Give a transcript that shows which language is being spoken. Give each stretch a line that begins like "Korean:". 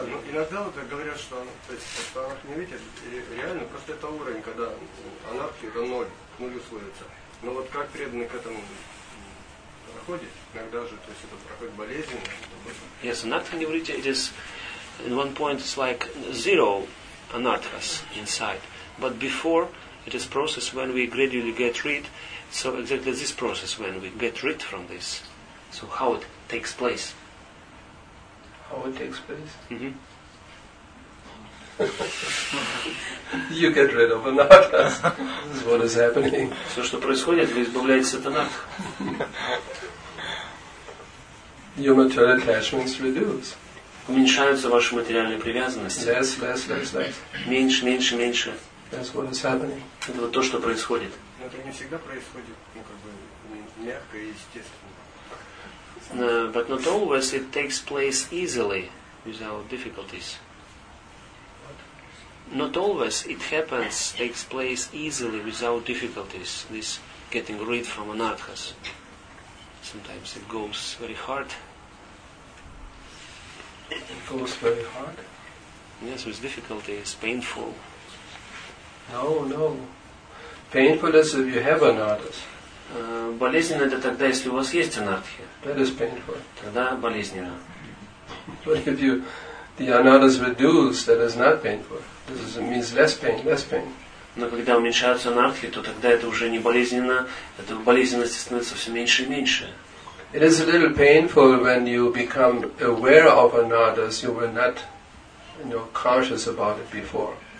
Russian: Иногда вот говорят, что анархия не видит, реально просто это уровень, когда анархия это ноль, к нулю сводится. Но вот как преданный к этому проходит, иногда же, то есть это проходит болезненно.
English: Yes,
Russian: анархия не видит,
English: it is in one point it's like zero anarthas inside, but before it is process when we gradually get rid. So exactly this process when we get rid from this. So how it takes place? How it takes place? Mm-hmm. You get rid of anarthas. This is what is happening.
Russian: Все, что происходит, вы избавляетесь от анарх.
English: Your material attachments reduce.
Russian: Уменьшаются ваши материальные привязанности.
English: Less, less, less, less.
Russian: Меньше, меньше, меньше.
English: That's what is happening.
Russian: Это вот то, что происходит. Но это не всегда происходит, ну как бы мягко и естественно.
English: But not always it takes place easily, without difficulties. What? Not always it happens, takes place easily, without difficulties, this getting rid from anarthas. Sometimes it goes very hard. It goes very hard? Yes, with difficulties, painful. No, no. Painful is if you have anarthas.
Russian: Болезненно это тогда, если у вас есть анартхи.
English: That is painful.
Russian: Тогда болезненно.
English: But if you the anarthas reduce, that is not painful. This is, means less pain, less pain.
Russian: Но когда уменьшаются анартхи, то тогда это уже не болезненно, это болезненности становится все меньше и меньше.
English: It is a little painful when you become aware of anarthas, you were not, you know, conscious about it before.